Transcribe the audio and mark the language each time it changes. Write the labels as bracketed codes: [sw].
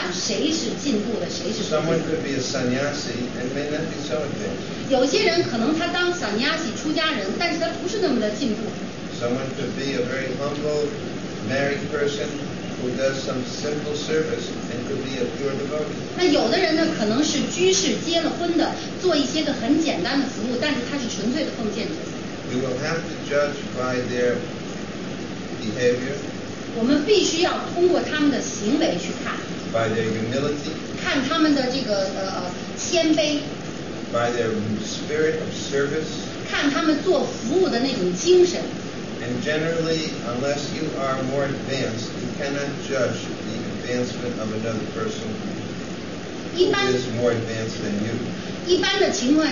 [zh] 那这个故事它是告诉我们，我们不应该只是从一个表面上的现象去评断谁是进步的，谁是。Someone [en] could be a sannyasi and may not be so advanced. [zh] 有些人可能他当 sannyasi 出家人，但是他不是那么的进步。Someone [en] could be a very humble married person who does some simple service and could be a pure devotee. [zh] 那有的人呢，可能是居士结了婚的，做一些个很简单的服务，但是他是纯粹的奉献者。 [en] We will have to judge by their behavior. [zh] 我们必须要通过他们的行为去看。 [en] By their humility. [zh] 看他们的这个谦卑。 [en] By their spirit of service. [zh] 看他们做服务的那种精神。 [en] And generally, unless you are more advanced, you cannot judge the advancement of another person who is more advanced than you.